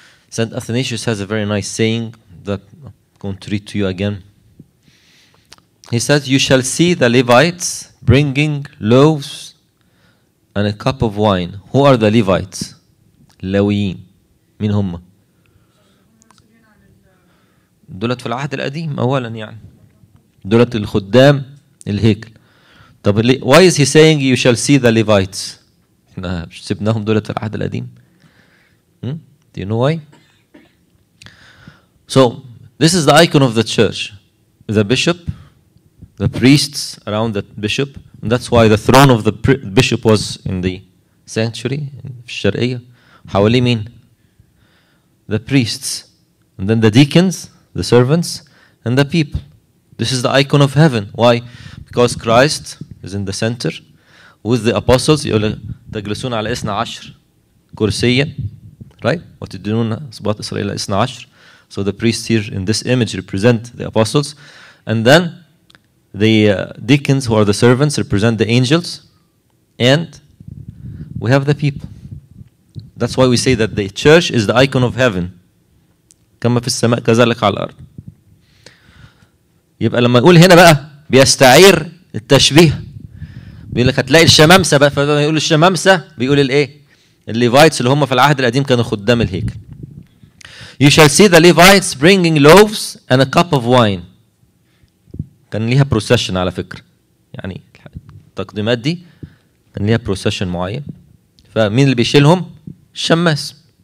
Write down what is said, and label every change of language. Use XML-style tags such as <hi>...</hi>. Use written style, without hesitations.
<en>Saint Athanasius has a very nice saying that I'm going to read to you again. He says, "You shall see the Levites bringing loaves and a cup of wine." Who are the Levites? Lewiyin.</en> <ar>مين هم؟ دولت في العهد القديم أولا يعني دولت الخدام الهيكل.</ar> <en>طب why is he saying you shall see the Levites؟</en> <ar>احنا سبناهم دولت في العهد القديم.</ar> <en>Do you know why? So this is the icon of the church, the bishop, the priests around the bishop. And that's why the throne of the bishop was in the sanctuary in الشرقية. How do you mean? The priests and then the deacons. The servants and the people. This is the icon of heaven. Why? Because Christ is in the center with the apostles.</en> <ar>يقول تجلسون على إثنى عشر كرسيا, right? وتدينون صبات إسرائيل إثنى عشر.</ar> <en>So the priests here in this image represent the apostles, and then the deacons, who are the servants, represent the angels, and we have the people. That's why we say that the church is the icon of heaven.</en> <ar>كما في السماء كذلك على الأرض. يبقى لما يقول هنا بقى بيستعير التشبيه, بيقول لك هتلاقي الشمامسة بقى. فلما يقول الشمامسة بيقول الايه, الليفايتس اللي هم في العهد القديم كانوا خدام الهيكل.</ar> <en>You shall see the Levites bringing loaves and a cup of wine.</en> <ar>كان ليها procession على فكرة, يعني التقديمات دي كان ليها procession معين. فمين اللي بيشيلهم؟ الشماس.</ar>